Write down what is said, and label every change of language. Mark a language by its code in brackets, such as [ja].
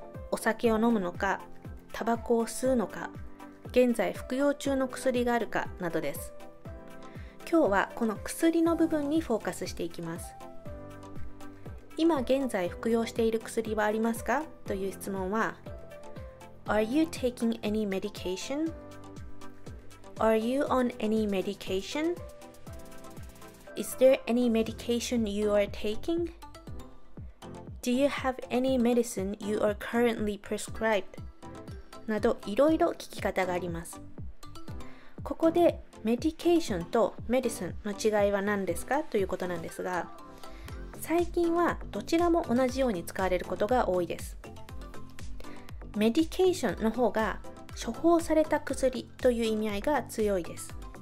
[ja] お酒を飲むのか、タバコを吸うのか、現在服用中の薬があるかなどです。今日はこの薬の部分にフォーカスしていきます。今現在服用している薬はありますかという質問は Are you taking any medication? [en] Are you on any medication? Is there any medication you are taking? Do you have any medicine you are currently prescribed? [ja] などいろいろ聞き方があります。ここでメディケーションとメディスンの違いは何ですかということなんですが、最近はどちらも同じように使われることが多いです。メディケーションの方が処方された薬という意味合いが強いです。